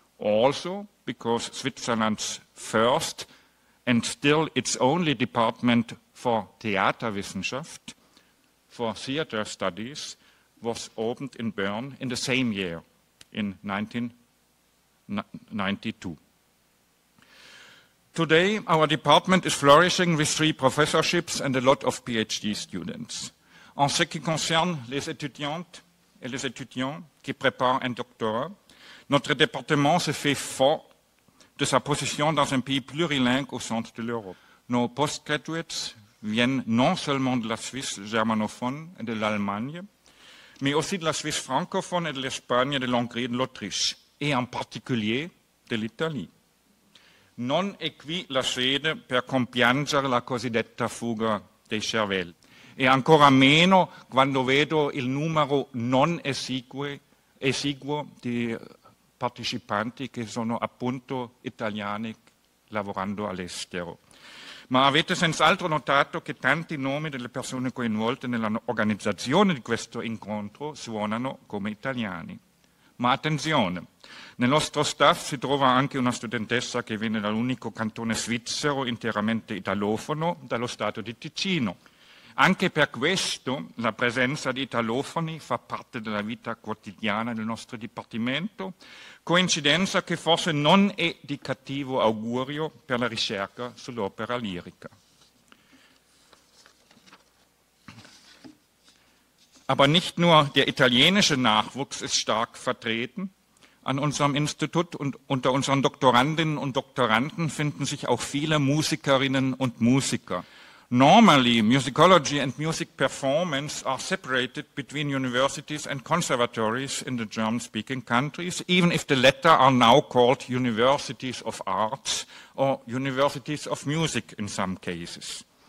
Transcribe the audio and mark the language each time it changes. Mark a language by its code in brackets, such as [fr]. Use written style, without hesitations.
[en] Also, because Switzerland's first and still its only department for Theaterwissenschaft, for theater studies, was opened in Bern in the same year, in 1992. Today, our department is flourishing with three professorships and a lot of PhD students. [fr] En ce qui concerne les étudiantes et les étudiants qui préparent un doctorat, notre département se fait fort de sa position dans un pays plurilingue au centre de l'Europe. Nos postgraduates viennent non seulement de la Suisse germanophone et de l'Allemagne, mais aussi de la Suisse francophone et de l'Espagne, de l'Hongrie et de l'Autriche, et en particulier de l'Italie. [it] Non è qui la sede per compiangere la cosiddetta fuga dei cervelli, e ancora meno quando vedo il numero non esiguo di partecipanti che sono appunto italiani lavorando all'estero. Ma avete senz'altro notato che tanti nomi delle persone coinvolte nell'organizzazione di questo incontro suonano come italiani. Ma attenzione, nel nostro staff si trova anche una studentessa che viene dall'unico cantone svizzero interamente italofono, dallo stato di Ticino. Anche per questo la presenza di italofoni fa parte della vita quotidiana del nostro dipartimento, coincidenza che forse non è di cattivo augurio per la ricerca sull'opera lirica. [de] Aber nicht nur der italienische Nachwuchs ist stark vertreten. An unserem Institut und unter unseren Doktorandinnen und Doktoranden finden sich auch viele Musikerinnen und Musiker. [en] Normally, musicology and music performance are separated between universities and conservatories in the German-speaking countries, even if the latter are now called universities of arts or universities of music in some cases.